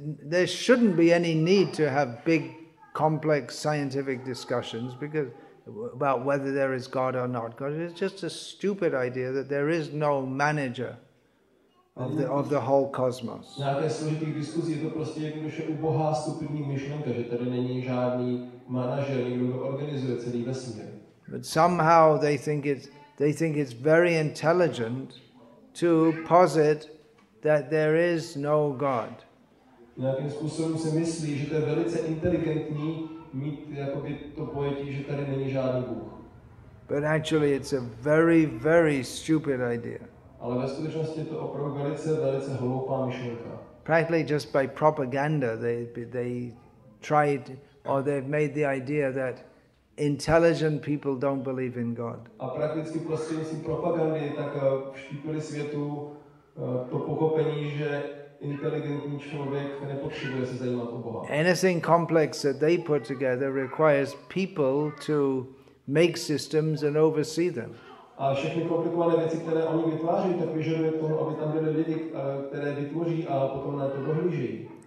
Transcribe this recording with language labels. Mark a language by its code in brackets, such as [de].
[en] There shouldn't be any need to have big, complex scientific discussions because about whether there is God or not. God, it's just a stupid idea that there is no manager of the whole cosmos. [cs] Nějaké složitý diskuzí, je to prostě jednoduše ubohá stupidní myšlenka, že tady není žádný manažer, kdo organizuje celý vesmír. [en] But somehow they think it's very intelligent to posit that there is no God. [cs] nějakým způsobem si myslí, že to je velice inteligentní mít jakoby to pojetí, že tady není žádný Bůh. [en] But actually it's a very, very stupid idea. [cs] Ale ve skutečnosti je to opravdu velice, velice hloupá myšlenka. [en] Practically just by propaganda they tried or they've made the idea that intelligent people don't believe in God. [cs] A prakticky prostřednictvím propagandy tak vštípili světu to pochopení, že inteligentní člověk nepotřebuje se zajímat o Boha. [en] Anything complex that they put together requires people to make systems and oversee them. [cs] A všechny komplikované věci, které oni vytváří, tak vyžaduje to, aby tam byly lidi, které vytvoří a potom na to dohlíží.